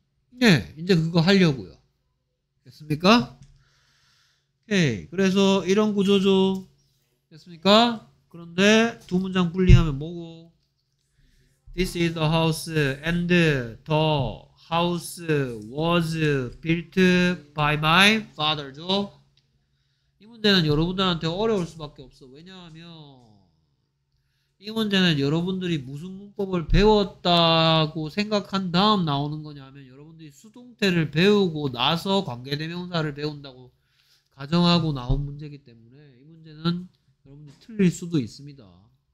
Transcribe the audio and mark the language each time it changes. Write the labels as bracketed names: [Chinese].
[Korean] 네, 이제 그거 하려고요. 됐습니까? 오케이. 그래서 이런 구조죠. 됐습니까? 그런데 두 문장 분리하면 뭐고? [English] This is the house and the house was built by my father죠. [Korean] 이 문제는 여러분들한테 어려울 수밖에 없어. 왜냐하면 이 문제는 여러분들이 무슨 문법을 배웠다고 생각한 다음 나오는 거냐면 여러분들이 수동태를 배우고 나서 관계대명사를 배운다고 가정하고 나온 문제이기 때문에 이 문제는 여러분들이 틀릴 수도 있습니다.